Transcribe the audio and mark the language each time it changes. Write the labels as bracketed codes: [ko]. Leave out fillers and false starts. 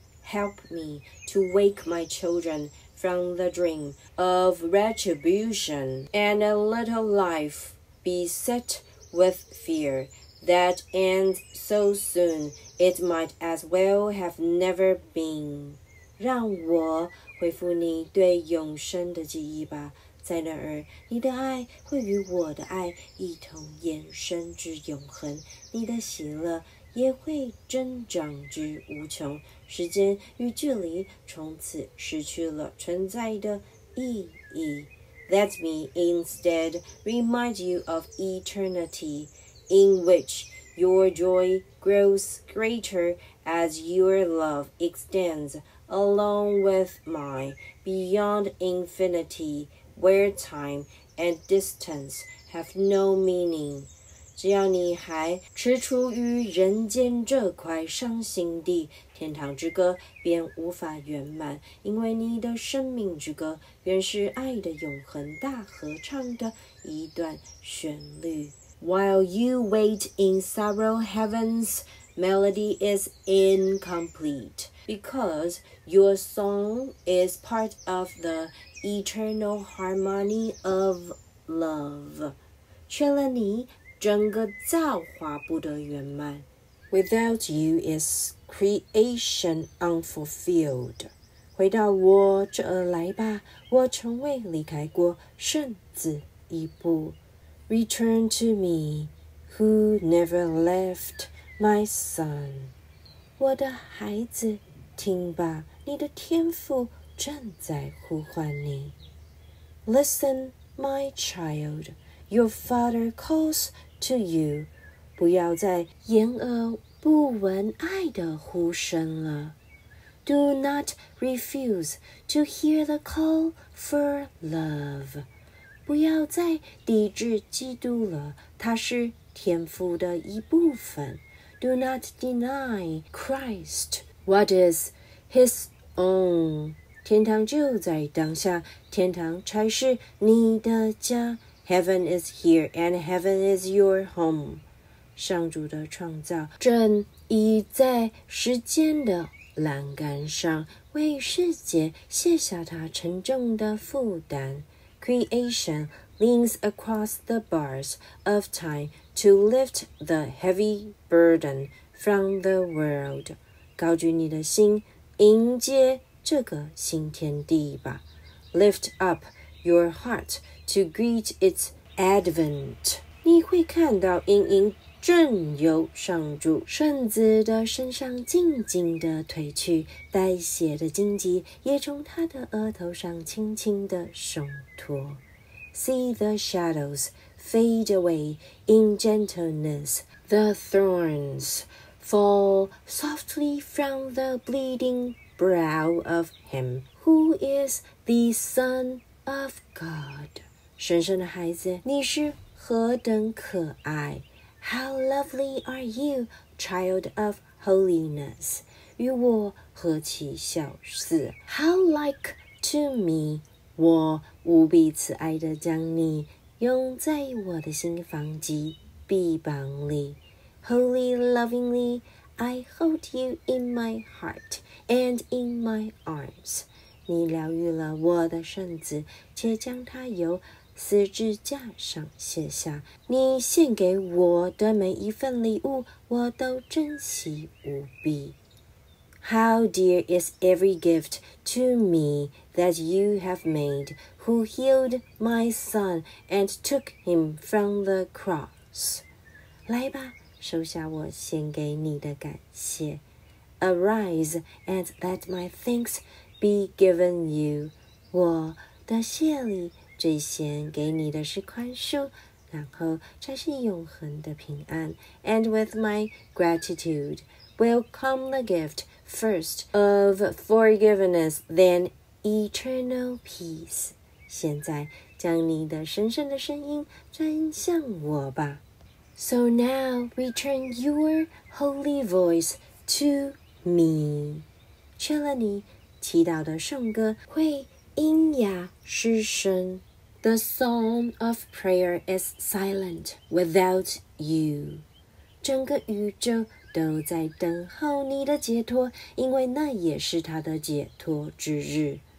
[en] Help me to wake my children from the dream of retribution and a little life beset with fear that ends so soon it might as well have never been. [zh] 让我恢复你对永生的记忆吧，在那儿你的爱会与我的爱一同延伸至永恒，你的喜乐也会增长至无穷，时间与距离从此失去了存在的意义。 [en] Let me instead remind you of eternity, in which your joy grows greater as your love extends along with mine beyond infinity, where time and distance have no meaning. [zh] 只要你还踟蹰于人间这块伤心地，天堂之歌便无法圆满，因为你的生命之歌原是爱的永恒大合唱的一段旋律。 [en] While you wait in sorrow, heaven's melody is incomplete, because your song is part of the eternal harmony of love. [zh] 缺了你整个造化不得圆满。 [en] Without you is creation unfulfilled. [zh] 回到我这儿来吧，我从未离开过甚至一步。 [en] Return to me, who never left, my son. [zh] 我的孩子，听吧，你的天父正在呼唤你。 [en] Listen, my child, your father calls. To you, [zh] 不要再掩耳不闻爱的呼声了。 [en] Do not refuse to hear the call for love. [zh] 不要再抵制基督了，他是天父的一部分。 [en] Do not deny Christ what is his own. [zh] 天堂就在当下，天堂才是你的家。 [en] Heaven is here, and heaven is your home. [zh] 上主的创造正倚在时间的栏杆上，为世界卸下它沉重的负担。 [en] Creation leans across the bars of time to lift the heavy burden from the world. [zh] 高举你的心，迎接这个新天地吧。 [en] Lift up your heart. To greet its advent. [zh] 你会看到阴影正由上主圣子的身上静静地褪去，带血的荆棘也从他的额头上轻轻地松脱。 [en] See the shadows fade away in gentleness. The thorns fall softly from the bleeding brow of him who is the Son of God. [zh] 神圣的孩子，你是何等可爱。 [en] How lovely are you, child of holiness? [zh] 与我何其相似。 [en] How like to me? [zh] 我无比慈爱地将你拥在我的心房及臂膀里。 [en] Holy lovingly, I hold you in my heart and in my arms. [zh] 你疗愈了我的圣子，且将他由十字架上卸下，你献给我的每一份礼物，我都珍惜无比。 [en] How dear is every gift to me that you have made, who healed my son and took him from the cross. [zh] 来吧，收下我献给你的感谢。 [en] arise and let my thanks be given you. [zh] 我的谢礼最先给你的是宽恕，然后才是永恒的平安。 [en] And with my gratitude will come the gift first of forgiveness, then eternal peace. [zh] 现在将你的神圣的声音转向我吧。 [en] So now return your holy voice to me. [zh] 确了你祈祷的颂歌会喑哑失声。 [en] The song of prayer is silent without you. [zh] 整个宇宙都在等候你的解脱，因为那也是他的解脱之日。